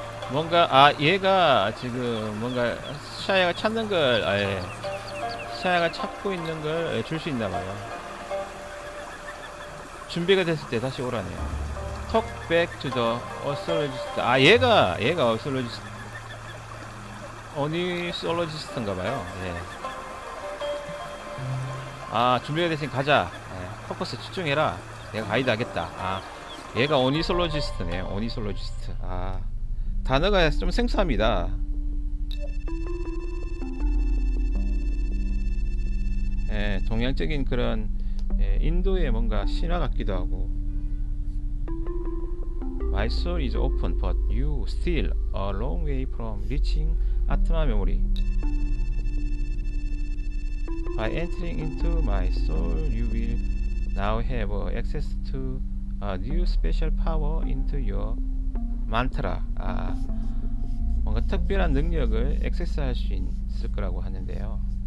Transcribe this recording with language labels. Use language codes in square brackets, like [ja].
[ko] 뭔가 아 얘가 지금 뭔가 샤야가 찾는 걸 아예 샤야가 찾고 있는 걸 줄 수 있나 봐요. 준비가 됐을 때 다시 오라네요. [en] Talk back to the ornithologist. [ko] 아 얘가 ornithologist. 오니솔로지스트인가 봐요. 예. 아 준비가 됐으니 가자. 예. 포커스 집중해라. 내가 가이드 하겠다. 아 얘가 오니솔로지스트네. 오니솔로지스트. 아 단어가 좀 생소합니다. 예, 동양적인 그런 예, 인도의 뭔가 신화 같기도 하고. [en] My soul is open, but you still a long way from reaching 아트마 메모리. By entering into my soul, you will now have access to a new special power into your mantra. [ko] 아, 뭔가 특별한 능력을 액세스할 수 있을 거라고 하는데요.